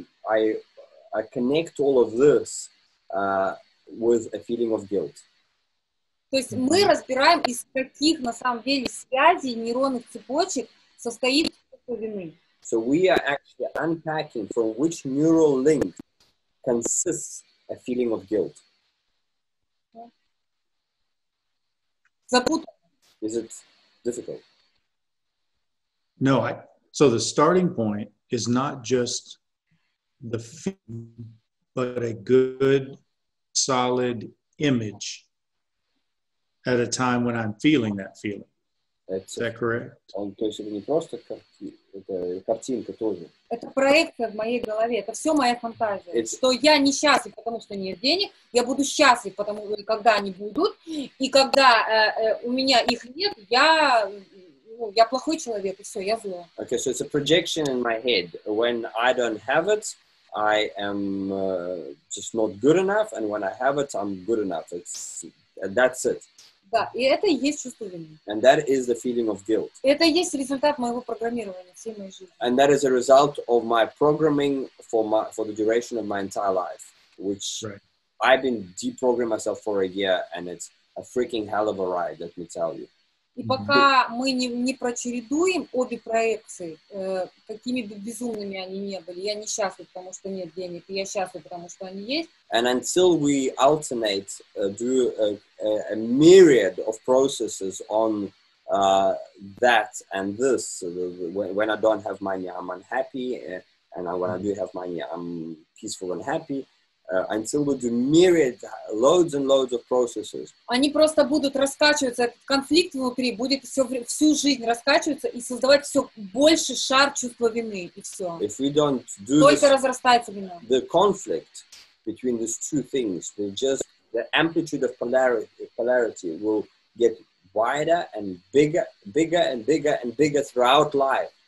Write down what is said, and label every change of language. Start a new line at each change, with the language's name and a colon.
English: I connect all of this with a feeling of guilt.
Russian: То есть мы разбираем, из каких на самом деле связей нейронных цепочек состоит чувство вины.
English: So we are actually unpacking from which neural link consists a feeling of guilt. Is it difficult? No. So the starting point is not just the feeling, but a good, solid image at a time when I'm feeling that feeling. Is that correct?
Russian: Он, то есть это не просто картинка тоже. Это проекция в моей голове. Это все моя фантазия. Что я несчастлив, потому что нет денег. Я буду счастлив, потому что когда они будут. И когда у меня их нет, я плохой человек. И все, я зло.
English: Okay, so it's a projection in my head. When I don't have it, I am just not good enough. And when I have it, I'm good enough. That's it.
Russian: Да, и это и есть чувство вины.
English: And that is the feeling of guilt.
Russian: Это и есть результат моего программирования всей моей жизни.
English: And that is a result of my programming for the duration of my entire life, which right. I've been deprogramming myself for a year, and it's a freaking hell of a ride, let me tell you.
Russian: И пока мы не прочередуем обе проекции, какими бы безумными они ни были, я несчастлив, потому что нет денег, и я счастлив, потому что они есть.
English: And until we alternate through a myriad of processes on that and this, when I don't have money, I'm unhappy, and when I do have money, I'm peaceful and happy. Until we do myriad, loads and loads of processes.
Russian: Они просто будут раскачиваться, этот конфликт внутри будет всю жизнь раскачиваться и создавать все больше шар чувства вины, и все.
English: If we don't do
Russian: только разрастается вина.
English: The conflict between these two things, the amplitude of polarity will get wider and bigger throughout life.